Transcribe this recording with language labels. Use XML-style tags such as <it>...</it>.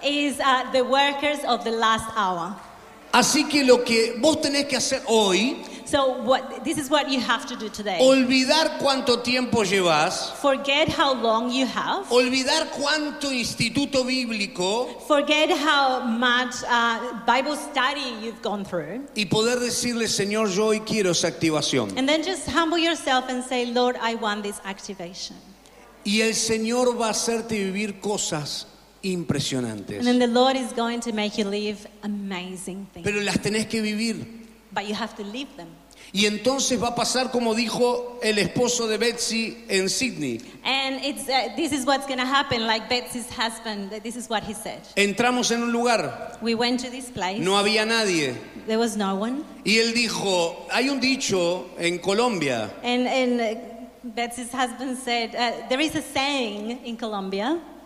<en>Is, the workers of the last hour.</en> <es>Así que lo que vos tenés que hacer hoy,</es> <en>so what, this is what you have to do today.</en> <es>Olvidar cuánto tiempo llevas.</es> <en>Forget how long you have.</en> <es>Olvidar cuánto instituto bíblico.</es> <en>Forget how much Bible study you've gone through.</en> <es>Y poder decirle, Señor, yo hoy quiero esa activación.</es> <en>And then just humble yourself and say, Lord, I want this activation.</en> <es>Y el Señor va a hacerte vivir cosas impresionantes.</es> <en>And then the Lord is going to make you live amazing things.</en> <es>Pero las tenés que vivir.</es> <en>But you have to leave them.</en> <es>Y entonces va a pasar como dijo el esposo de Betsy en Sydney.</es> <en>And it's this is what's going to happen, like Betsy's husband. This is what he said.</en> <es>Entramos en un lugar.</es> <en>We went to this place.</en> <es>No había nadie.</es> <en>There was no one.</en> <es>Y él dijo, hay un dicho en Colombia.</es> <en>And Betsy's husband said, there is a saying in Colombia.</en>